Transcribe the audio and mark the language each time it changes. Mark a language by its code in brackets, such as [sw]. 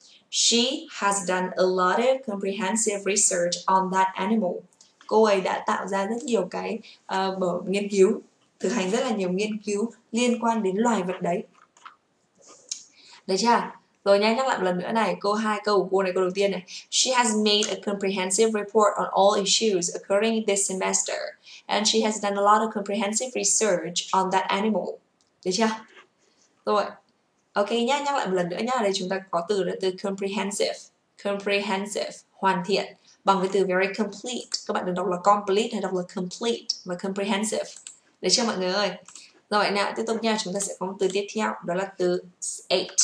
[en] She has done a lot of comprehensive research on that animal. [vi] Cô ấy đã tạo ra rất nhiều cái nghiên cứu. Thực hành rất là nhiều nghiên cứu liên quan đến loài vật đấy. Được chưa? Rồi nhanh nhắc lại một lần nữa này. Câu 2, câu của cô này, câu đầu tiên này. [en] She has made a comprehensive report on all issues occurring this semester. And she has done a lot of comprehensive research on that animal. [vi] Được chưa? Rồi. Ok nhá, nhắc lại một lần nữa nhá. Đây chúng ta có từ là từ comprehensive. Comprehensive, hoàn thiện. Bằng cái từ very complete. Các bạn đừng đọc là complete hay đọc là complete. Mà comprehensive. Được chưa mọi người ơi? Rồi nào, tiếp tục nha, chúng ta sẽ có một từ tiếp theo, đó là từ 8.